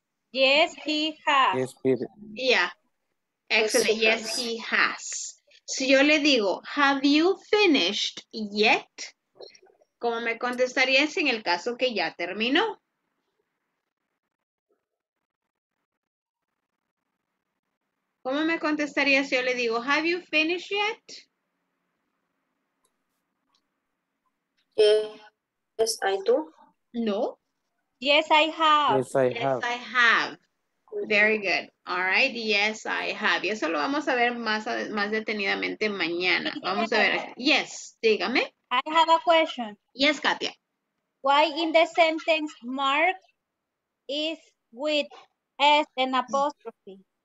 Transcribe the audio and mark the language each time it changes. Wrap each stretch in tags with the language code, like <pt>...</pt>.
<en>Yes, he has. Yes, Peter. Yeah. Excellent. Yes, he has.</en> <es>Si yo le digo,</es> <en>have you finished yet?</en> <es>¿Cómo me contestarías en el caso que ya terminó? ¿Cómo me contestaría si yo le digo,</es> <en>have you finished yet? Yes, I do. No. Yes, I have. Yes, I have. Very good. All right. Yes, I have.</en> <es>Y eso lo vamos a ver más detenidamente mañana. Vamos a ver.</es> <en>Yes,</en> <es>dígame.</es> <en>I have a question. Yes, Katia. Why in the sentence Mark is with S and apostrophe?</en>